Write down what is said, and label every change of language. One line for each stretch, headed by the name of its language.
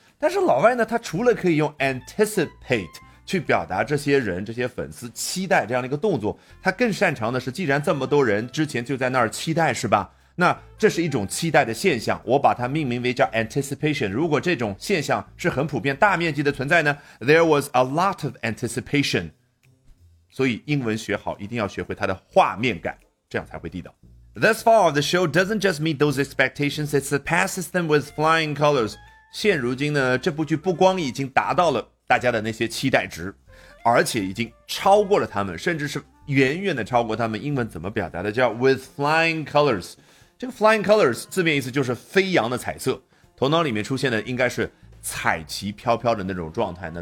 Chinese: 但是老外呢，他除了可以用 anticipate 去表达这些人这些粉丝期待这样的一个动作，他更擅长的是既然这么多人之前就在那儿期待是吧，那这是一种期待的现象，我把它命名为叫 anticipation。如果这种现象是很普遍大面积的存在呢，
English: There was a lot of anticipation。
Chinese: 所以英文学好一定要学会它的画面感，这样才会地道。
English: Thus far the show doesn't just meet those expectations, it surpasses them with flying colors。
Chinese: 现如今呢，这部剧不光已经达到了大家的那些期待值，而且已经超过了他们，甚至是远远的超过他们。英文怎么表达的叫
English: with flying colors。
Chinese: 这个 flying colors 字面意思就是飞扬的彩色，头脑里面出现的应该是彩旗飘飘的那种状态呢。